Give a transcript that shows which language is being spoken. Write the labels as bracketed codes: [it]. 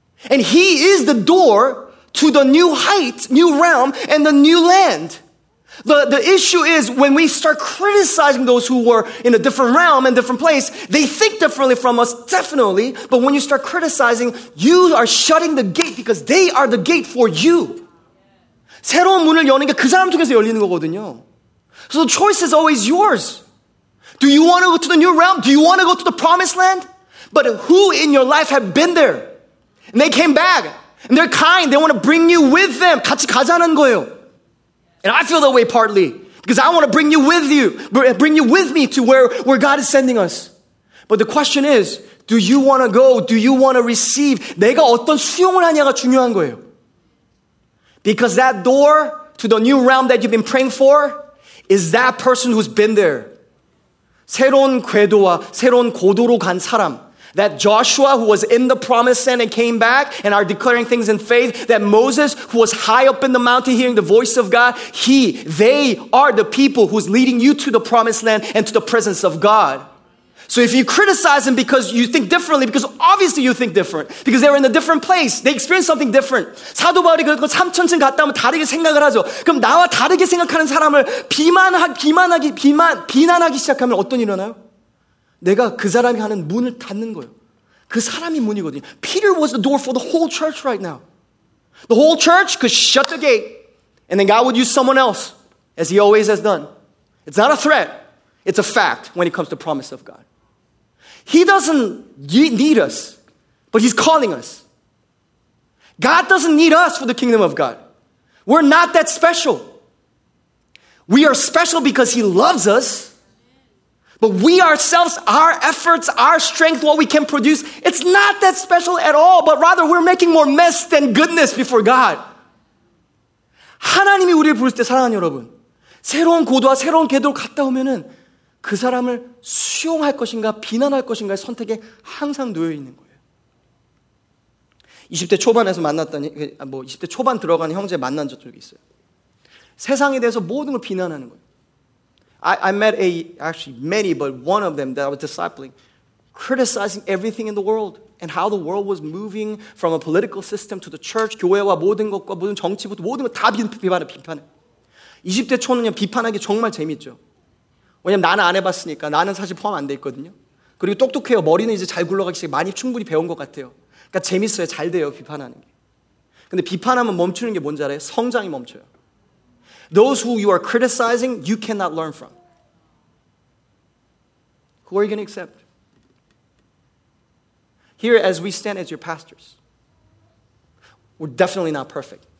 [en] And he is the door to the new height, new realm, and the new land. The issue is when we start criticizing those who were in a different realm and different place, they think differently from us, definitely. But when you start criticizing, you are shutting the gate because they are the gate for you. [ko] 새로운 문을 여는 게 그 사람 통해서 열리는 거거든요. [en] So the choice is always yours. Do you want to go to the new realm? Do you want to go to the promised land? But who in your life have been there? And they came back. And they're kind. They want to bring you with them. [ko] 같이 가자는 거예요. [en] And I feel that way partly. Because I want to bring you with you. Bring you with me to where God is sending us. But the question is, do you want to go? Do you want to receive? [ko] 내가 어떤 수용을 하냐가 중요한 거예요. [en] Because that door to the new realm that you've been praying for is that person who's been there. [ko] 새로운 궤도와 새로운 고도로 간 사람. [en] That Joshua who was in the promised land and came back and are declaring things in faith. That Moses who was high up in the mountain hearing the voice of God. They are the people who's leading you to the promised land and to the presence of God. So if you criticize them because you think differently, because obviously you think different, because they're in a different place, they experience something different. [ko] 사도 바울이 그렇고 삼천층 갔다 오면 다르게 생각을 하죠. 그럼 나와 다르게 생각하는 사람을 비난하기 시작하면 어떤 일이 일어나요? 내가 그 사람이 하는 문을 닫는 거예요. 그 사람이 문이거든요. [en] Peter was the door for the whole church right now. The whole church could shut the gate, and then God would use someone else, as he always has done. It's not a threat. It's a fact when it comes to promise of God. He doesn't need us, but he's calling us. God doesn't need us for the kingdom of God. We're not that special. We are special because he loves us. But we ourselves, our efforts, our strength, what we can produce, it's not that special at all. But rather, we're making more mess than goodness before God. [ko] 하나님이 우리를 부를 때 사랑하는 여러분, 새로운 고도와 새로운 궤도로 갔다 오면은 그 사람을 수용할 것인가 비난할 것인가의 선택에 항상 놓여 있는 거예요. 20대 초반에서 만났더니 뭐 20대 초반 들어가는 형제 만난 적이 있어요. 세상에 대해서 모든 걸 비난하는 거예요. [en] I met one of them that I was discipling, criticizing everything in the world and how the world was moving from a political system to the church, [ko] 교회와 모든 것과 모든 정치부터 모든 걸 다 비판해. 20대 초는요, 비판하기 정말 재밌죠. 왜냐면 나는 안 해봤으니까, 나는 사실 포함 안 돼 있거든요. 그리고 똑똑해요. 머리는 이제 잘 굴러가기 시작해. 많이 충분히 배운 것 같아요. 그러니까 재밌어요. 잘 돼요, 비판하는 게. 근데 비판하면 멈추는 게 뭔지 알아요? 성장이 멈춰요. [en] Those who you are criticizing, you cannot learn from. Who are you going to accept? Here, as we stand as your pastors, we're definitely not perfect.